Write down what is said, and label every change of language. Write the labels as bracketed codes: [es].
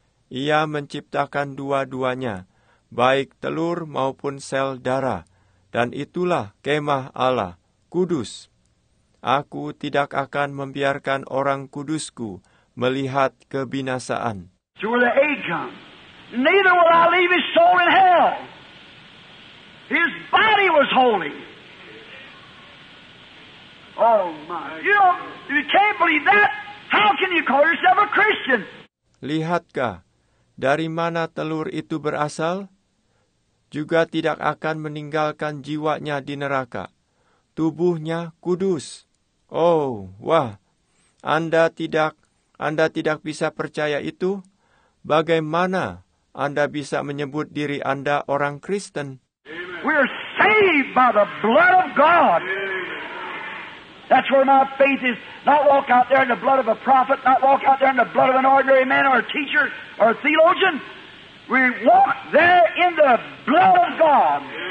[id] Ia menciptakan dua-duanya, baik telur maupun sel darah. Dan itulah kemah Allah, kudus. Aku tidak akan membiarkan orang kudusku melihat kebinasaan. [en] Where the egg comes. Neither will I leave his soul in hell. His body was holy. Oh my. You know, if you can't believe that, how can you call yourself a Christian? [id] Lihatkah, dari mana telur itu berasal? Juga tidak akan meninggalkan jiwanya di neraka. Tubuhnya kudus. Oh, wah. Anda tidak bisa percaya itu? Bagaimana Anda bisa menyebut diri Anda orang Kristen? [en] We're saved by the blood of God. That's where my faith is. Not walk out there in the blood of a prophet, not walk out there in the blood of an ordinary man or a teacher or a theologian. We walk there in the blood of God.